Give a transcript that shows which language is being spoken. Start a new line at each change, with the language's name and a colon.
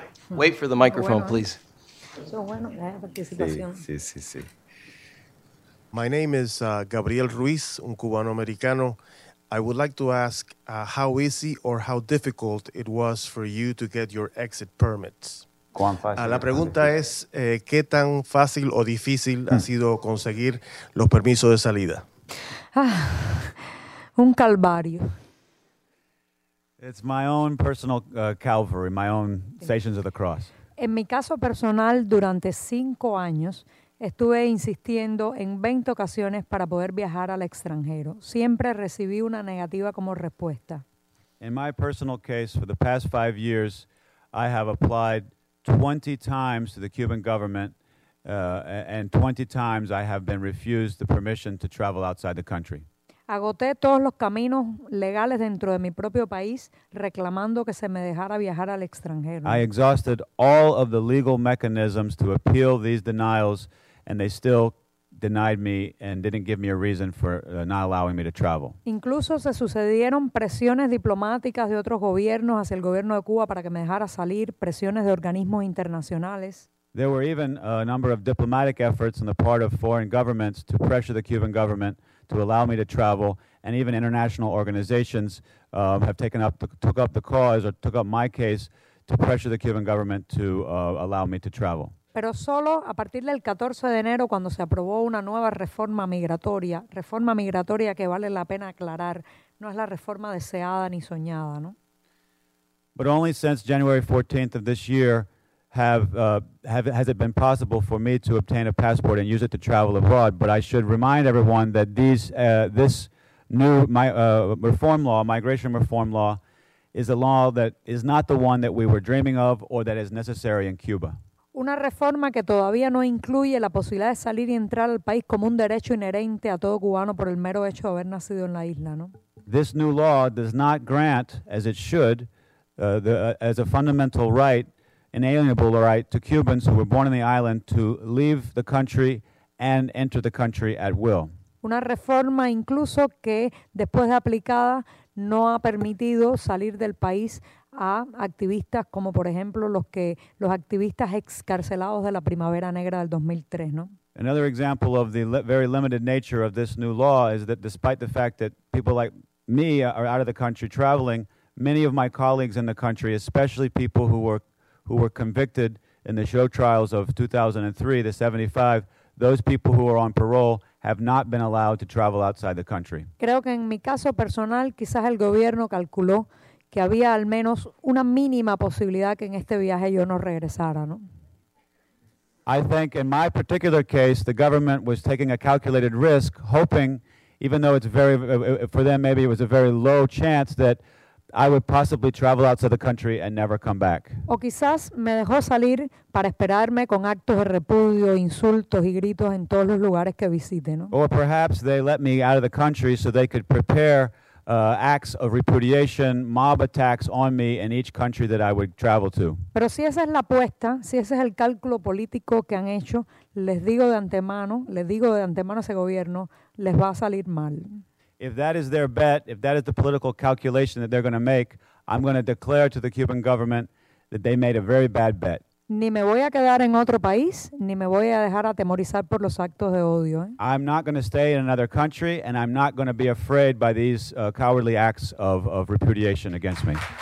English: Wait for the microphone, please. Sí. My name is Gabriel Ruiz,
Spanish: un cubano-americano.
English: I would like to ask how easy or how difficult it was for you to get your exit permits.
Spanish: La pregunta es, ¿qué tan fácil o difícil ha sido conseguir los permisos de salida? Un calvario.
English: It's my own personal calvary, my own stations of the cross.
Spanish: En mi caso personal, durante 5 años, estuve insistiendo en 20 ocasiones para poder viajar al extranjero. Siempre recibí una negativa como respuesta.
English: In my personal case, for the past 5 years, I have applied 20 times to the Cuban government, and 20 times I have been refused the permission to travel outside the country.
Spanish: Agoté todos los caminos legales dentro de mi propio país reclamando que se me dejara viajar al extranjero.
English: I exhausted all of the legal mechanisms to appeal these denials, and they still denied me and didn't give me a reason for not allowing me to travel.
Spanish: Incluso se sucedieron presiones diplomáticas de otros gobiernos hacia el gobierno de Cuba para que me dejara salir, presiones de organismos internacionales.
English: There were even a number of diplomatic efforts on the part of foreign governments to pressure the Cuban government to allow me to travel, and even international organizations took up my case to pressure the Cuban government to allow me to travel.
Spanish: Pero solo a partir del 14 de enero, cuando se aprobó una nueva reforma migratoria que vale la pena aclarar, no es la reforma deseada ni soñada, ¿no?
English: But only since January 14th of this year has it been possible for me to obtain a passport and use it to travel abroad. But I should remind everyone that this new migration reform law is a law that is not the one that we were dreaming of or that is necessary in Cuba.
Spanish: Una reforma que todavía no incluye la posibilidad de salir y entrar al país como un derecho inherente a todo cubano por el mero hecho de haber nacido en la isla, ¿no?
English: This new law does not grant, as it should, as a fundamental right, inalienable right to Cubans who were born in the island to leave the country and enter the country at will.
Spanish: Una reforma incluso que después de aplicada no ha permitido salir del país a activistas como, por ejemplo, los activistas excarcelados de la Primavera Negra del 2003, ¿no?
English: Another example of the very limited nature of this new law is that despite the fact that people like me are out of the country traveling, many of my colleagues in the country, especially people who were convicted in the show trials of 2003, the 75, those people who are on parole have not been allowed to travel outside the country.
Spanish: Creo que en mi caso personal, quizás el gobierno calculó que había al menos una mínima posibilidad que en este viaje yo no regresara, ¿no?
English: I think in my particular case, the government was taking a calculated risk, hoping, even though it's very, for them maybe it was a very low chance that I would possibly travel outside the country and never come back.
Spanish: O quizás me dejó salir para esperarme con actos de repudio, insultos y gritos en todos los lugares que visite, ¿no?
English: Or perhaps they let me out of the country so they could prepare acts of repudiation, mob attacks on me in each country that I would travel to.
Spanish: Pero si esa es la apuesta, si ese es el cálculo político que han hecho, les digo de antemano a ese gobierno, les va a salir mal.
English: If that is their bet, if that is the political calculation that they're going to make, I'm going to declare to the Cuban government that they made a very bad bet.
Spanish: Ni me voy a quedar en otro país, ni me voy a dejar atemorizar por los actos de odio.
English: I'm not going to stay in another country, and I'm not going to be afraid by these cowardly acts of repudiation against me.